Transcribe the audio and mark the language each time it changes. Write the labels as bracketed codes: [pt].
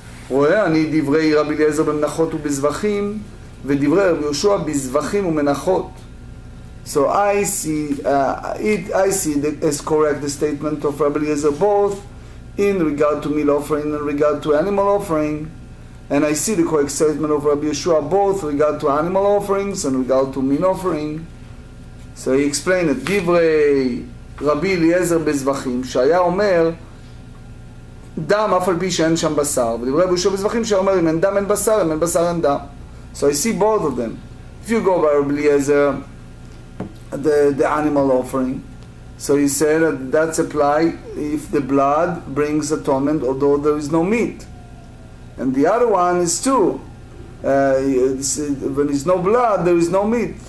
[he] רואה אני דברי רבי אליעזר במנחות ובזבחים ודברי רבי יהושע בזבחים ומנחות. [en] So I see as correct the statement of Rabbi Eliezer both in regard to meal offering and regard to animal offering, and I see the correct statement of Rabbi Yeshua both regard to animal offerings and regard to meal offering. So he explained it, [he] דברי רבי אליעזר בזבחים שהיה אומר דם אף על פי שאין שם בשר, ודברי רבי יהושע בזבחים שאומר אם אין דם אין בשר, אם אין בשר אין דם. [en] So I see both of them. If you go by Rabbi Eliezer, the animal offering, so he said that that's applied if the blood brings atonement, although there is no meat. And the other one is too, when there's no blood, there is no meat.